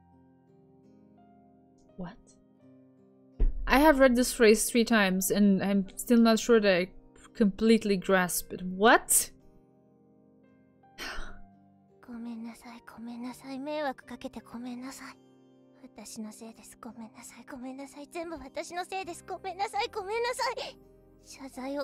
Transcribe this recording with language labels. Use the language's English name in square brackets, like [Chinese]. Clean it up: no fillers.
[Japanese] 泥水に顔を押し付けられたまま謝罪を叫ばされたこともあったよ。 [English] What? I have read this phrase 3 times and I'm still not sure that I completely grasp it. What? [Japanese] ごめんなさい、ごめんなさい、迷惑かけてごめんなさい。私のせいです、ごめんなさい、ごめんなさい、全部私のせいです、ごめんなさい、ごめんなさい。